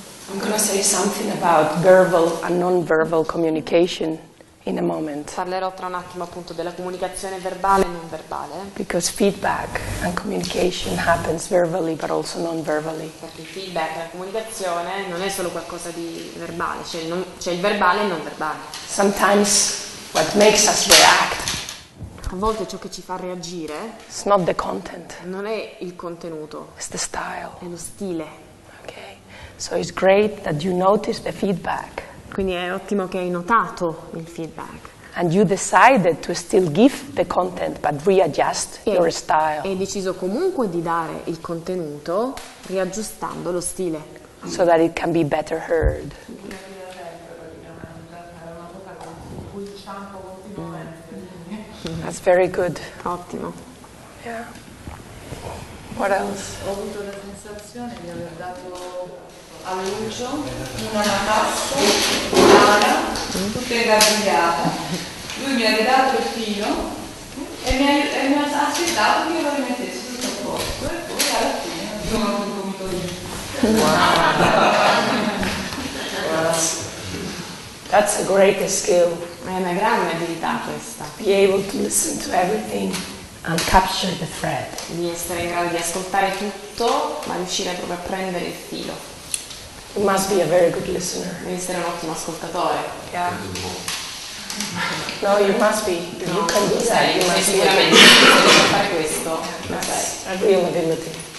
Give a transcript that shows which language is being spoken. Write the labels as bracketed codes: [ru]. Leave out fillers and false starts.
[en] I'm going to say something about verbal and non-verbal communication in a moment. [it] Parlerò tra un attimo appunto della comunicazione verbale e non verbale. [en] Because feedback and communication happens verbally but also non-verbally. [it] Perché il feedback e la comunicazione non è solo qualcosa di verbale, c'è il verbale e il non verbale. [en] Sometimes what makes us react. [it] A volte ciò che ci fa reagire. [en] It's not the content. [it] Non è il contenuto. [en] It's the style. [it] È lo stile. [en] So it's great that you notice the feedback. [it] Quindi è ottimo che hai notato il feedback. [en] And you decided to still give the content but readjust your style. [it] E hai deciso comunque di dare il contenuto riaggiustando lo stile. [en] So that it can be better heard. That's very good. [it] Ottimo. [en] Yeah. What else? [it] Ho avuto la sensazione di aver dato a Lucio, una Natasso, Ana, tutte ravvigliate. Lui mi ha ridato il filo e mi ha aspettato che io lo rimettessi tutto a posto e poi alla fine sono un punto lì. [en] Wow. That's a great skill. [it] È una grande abilità questa. [en] Be able to listen to everything and capture the thread. [it] Di essere in grado di ascoltare tutto ma riuscire proprio a prendere il filo. [en] You must be a very good listener. [it] Devi essere un ottimo ascoltatore. [en] Yeah. No, you must be. No, you can do that. You must [it] be. Sicuramente. Devi fare questo. [en] That's a real ability.